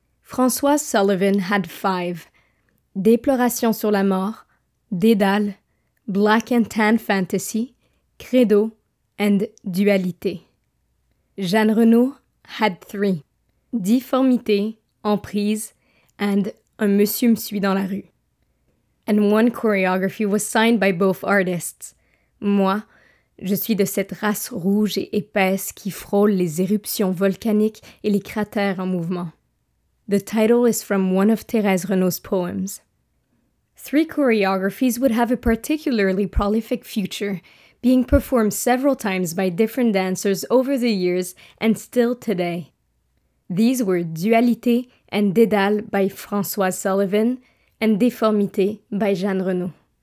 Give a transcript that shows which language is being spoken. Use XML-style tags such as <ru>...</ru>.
<en>Françoise Sullivan had 5. Déploration sur la mort, Dédale, Black and Tan Fantasy, Credo, and Dualité. Jeanne Renaud had 3, Difformité, Emprise, and Un Monsieur Me Suit dans la Rue. And one choreography was signed by both artists. Moi,</en> <fr>Je suis de cette race rouge et épaisse qui frôle les éruptions volcaniques et les cratères en mouvement.</fr> <en>The title is from one of Thérèse Renaud's poems. Three choreographies would have a particularly prolific future, being performed several times by different dancers over the years and still today. These were Dualité and Dédale by Françoise Sullivan and Déformité by Jeanne Renaud.</en>